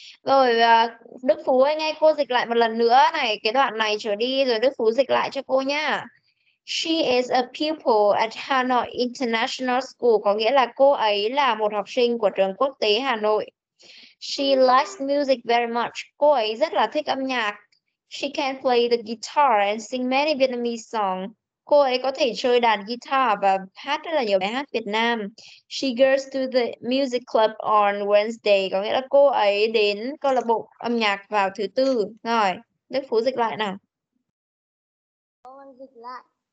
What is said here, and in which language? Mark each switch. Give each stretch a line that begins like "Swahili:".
Vietnamese: Rồi Đức Phú ơi, nghe cô dịch lại một lần nữa này, cái đoạn này trở đi, rồi Đức Phú dịch lại cho cô nhá.
English: She is a pupil at Hanoi International School,
Vietnamese: có nghĩa là cô ấy là một học sinh của trường quốc tế Hà Nội.
English: She likes music very much,
Vietnamese: cô ấy rất là thích âm nhạc.
English: She can play the guitar and sing many Vietnamese songs.
Vietnamese: Cô ấy có thể chơi đàn guitar và hát rất là nhiều bài hát Việt Nam.
English: She goes to the music club on Wednesday,
Vietnamese: có nghĩa là cô ấy đến câu lạc bộ âm nhạc vào thứ tư. Rồi, Đức Phú dịch lại nào. Con dịch lại.